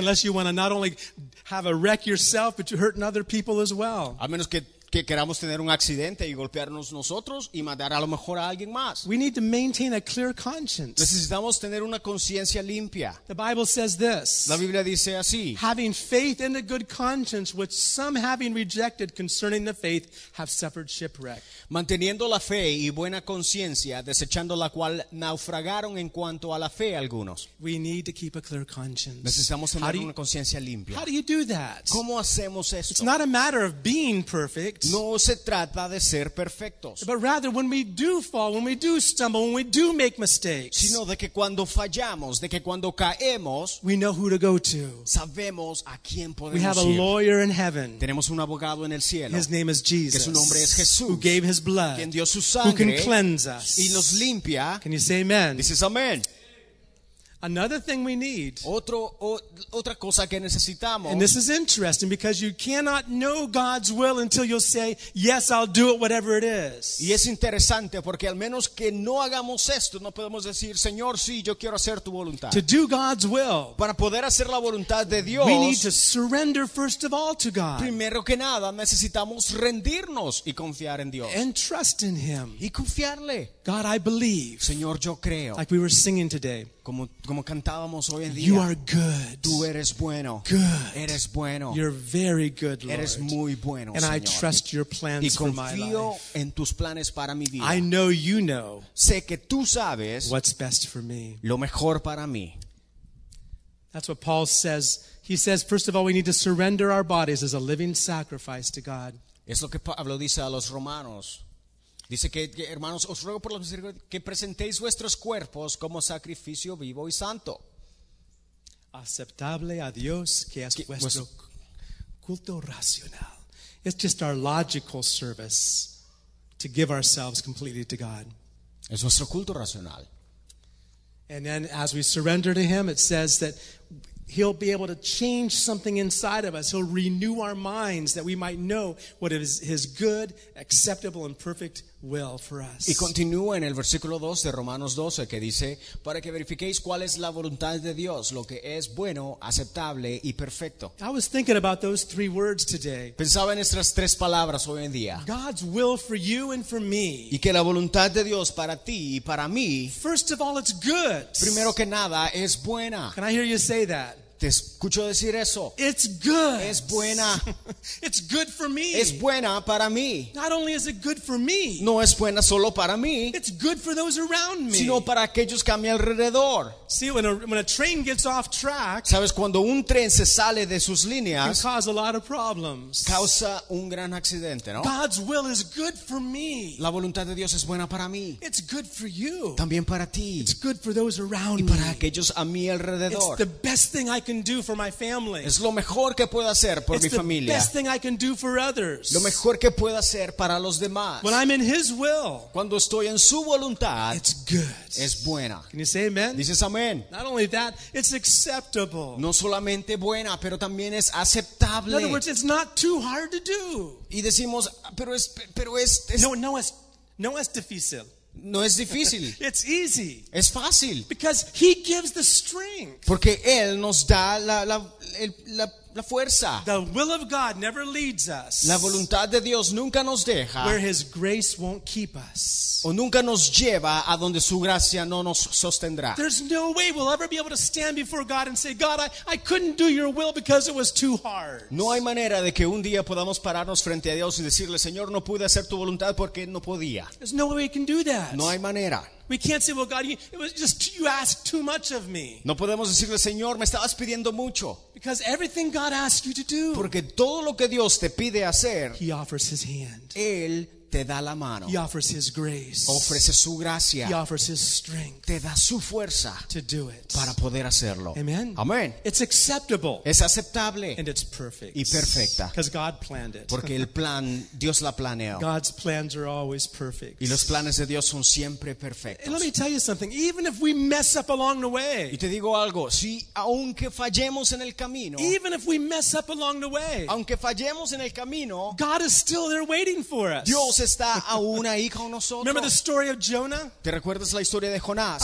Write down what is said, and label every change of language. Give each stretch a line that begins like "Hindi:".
English: Unless you want to not only have a wreck yourself, but you're hurting other people as well.
Spanish: A menos que queramos tener un accidente y golpearnos nosotros y matar a lo mejor a alguien más.
English: We need to maintain a clear conscience.
Spanish: Necesitamos tener una conciencia limpia.
English: The Bible says this.
Spanish: La Biblia dice así.
English: Having faith and a good conscience, which some having rejected concerning the faith, have suffered shipwreck.
Spanish: Manteniendo la fe y buena conciencia, desechando la cual naufragaron en cuanto a la fe algunos.
English: We need to keep a clear conscience.
Spanish: Necesitamos tener una conciencia limpia.
English: How do you do that?
Spanish: ¿Cómo hacemos esto?
English: It's not a matter of being perfect.
Spanish: No se trata de ser perfectos.
English: But rather, when we do fall, when we do stumble, when we do make mistakes,
Spanish: sino de que cuando fallamos, de que cuando caemos,
English: we know who to go to.
Spanish: Sabemos a quién podemos ir.
English: We have a lawyer in heaven.
Spanish: Tenemos un abogado en el cielo.
English: His name is Jesus.
Spanish: Que su nombre es Jesús.
English: Who gave his blood.
Spanish: Quien dio su sangre.
English: Who can cleanse us.
Spanish: Y nos limpia.
English: Can you say amen?
Spanish: Dices amén.
English: Another thing we need.
Spanish: Otra cosa que necesitamos.
English: And this is interesting because you cannot know God's will until you'll say, yes, I'll do it, whatever it is.
Spanish: Y es interesante porque al menos que no hagamos esto, no podemos decir, Señor, sí, yo quiero hacer tu voluntad.
English: To do God's will.
Spanish: Para poder hacer la voluntad de Dios.
English: We need to surrender first of all to God.
Spanish: Primero que nada, necesitamos rendirnos y confiar en Dios.
English: And trust in Him.
Spanish: Y confiarle.
English: God, I believe.
Spanish: Señor, yo creo.
English: Like we were singing today.
Spanish: Como cantábamos hoy en día.
English: You are good.
Spanish: Tú eres bueno.
English: Good.
Spanish: Eres bueno.
English: You're very good, Lord.
Spanish: Eres muy bueno,
English: and
Spanish: Señor.
English: I trust your plans
Spanish: y confío
English: for my life.
Spanish: En tus planes para mi vida.
English: I know you know.
Spanish: Sé que tú sabes
English: what's best for me.
Spanish: Lo mejor para mí.
English: That's what Paul says. He says, first of all, we need to surrender our bodies as a living sacrifice to God.
Spanish: Es lo que Pablo dice a los romanos. Dice que hermanos, os ruego por la misericordia que presentéis vuestros cuerpos como sacrificio vivo y santo. Aceptable a Dios, que es vuestro culto racional.
English: It's just our logical service to give ourselves completely to God.
Spanish: Es nuestro culto racional.
English: And then as we surrender to Him, it says that He'll be able to change something inside of us. He'll renew our minds that we might know what is His good, acceptable, and perfect will for us.
Spanish: Y continúa en el versículo 2 de Romanos 12 que dice, para que verifiquéis cuál es la voluntad de Dios, lo que es bueno, aceptable y perfecto.
English: I was thinking about those three words today.
Spanish: Pensaba en estas tres palabras hoy en día.
English: God's will for you and for me.
Spanish: Y que la voluntad de Dios para ti y para mí.
English: First of all, it's good.
Spanish: Primero que nada, es buena.
English: Can I hear you say that?
Spanish: Te escucho decir eso.
English: It's good.
Spanish: Es buena.
English: It's good for me.
Spanish: Es buena para mí.
English: Not only is it good for me.
Spanish: No es buena solo para mí.
English: It's good for those around me.
Spanish: Sino para aquellos que a mi alrededor.
English: See, when a train gets off track.
Spanish: Sabes, cuando un tren se sale de sus líneas.
English: Can cause a lot of problems.
Spanish: Causa un gran accidente, ¿no?
English: God's will is good for me.
Spanish: La voluntad de Dios es buena para mí.
English: It's good for you.
Spanish: También para ti.
English: It's good for those around me.
Spanish: Y para aquellos a mi alrededor.
English: It's the best thing I can do for my family.
Spanish: Es lo mejor que puedo hacer por mi familia.
English: It's the best thing I can do for others.
Spanish: Lo mejor que puedo hacer para los demás.
English: When I'm in His will.
Spanish: Cuando estoy en su voluntad.
English: It's good.
Spanish: Es buena.
English: Can you say amen?
Spanish: Dices amén.
English: Not only that, it's acceptable.
Spanish: No solamente buena, pero también es aceptable.
English: In other words, it's not too hard to do.
Spanish: Y decimos, pero es. No es difícil. No es difícil.
English: It's easy.
Spanish: Es fácil.
English: Because he gives the strength.
Spanish: Porque él nos da la fuerza.
English: The will of God never leads us.
Spanish: La voluntad de Dios nunca nos deja.
English: Where his grace won't keep us.
Spanish: O nunca nos lleva a donde su gracia no nos sostendrá.
English: There's no way we'll ever be able to stand before God and say, God, I couldn't do your will because it was too hard.
Spanish: No hay manera de que un día podamos pararnos frente a Dios y decirle, Señor, no pude hacer tu voluntad porque no podía.
English: There's no way we can do that.
Spanish: No hay manera.
English: We can't say, well, God, it was just you asked too much of me.
Spanish: No podemos decirle, Señor, me estabas pidiendo mucho.
English: Because everything God asks you to do.
Spanish: Porque todo lo que Dios te pide hacer.
English: He offers his hand.
Spanish: Él te da la mano.
English: He offers his grace.
Spanish: Ofrece su gracia.
English: He offers his strength.
Spanish: Te da su fuerza.
English: To do it.
Spanish: Para poder hacerlo.
English: Amen.
Spanish: Amen.
English: It's acceptable.
Spanish: Es aceptable.
English: And it's perfect.
Spanish: Y perfecta.
English: Because God planned it.
Spanish: Porque el plan, Dios la planeó.
English: God's plans are always perfect.
Spanish: Y los planes de Dios son siempre perfectos.
English: And let me tell you something. Even if we mess up along the way.
Spanish: Y te digo algo. Si aunque fallemos en el camino.
English: Even if we mess up along the way.
Spanish: Aunque fallemos en el camino.
English: God is still there waiting for us.
Spanish: Dios está aún ahí con nosotros.
English: Remember the story of Jonah?
Spanish: ¿Te recuerdas la historia de Jonás?